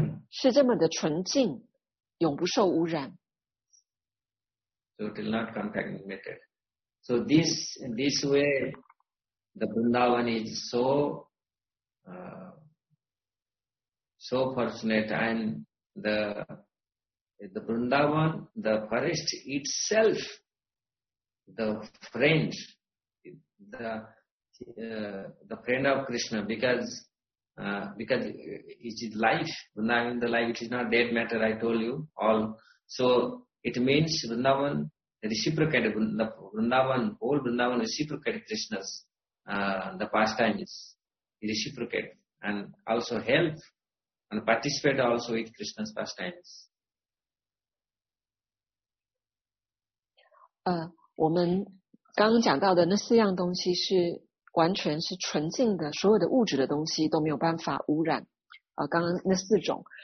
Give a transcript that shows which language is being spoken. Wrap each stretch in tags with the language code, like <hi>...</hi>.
<zh>是这么的纯净，永不受污染。</zh> <en>So it is not contaminated. So this way, the Vrindavan is so fortunate, and the Vrindavan, the forest itself. The friend, the friend of Krishna, because it is life, Vrindavan, the life, it is not dead matter, I told you all. So it means Vrindavan reciprocated, Vrindavan, old Vrindavan reciprocated Krishna's, the pastime is reciprocate and also help and participate also with Krishna's pastimes.</en> <zh>我们刚刚讲到的那四样东西是完全是纯净的，所有的物质的东西都没有办法污染刚刚那四种。</zh>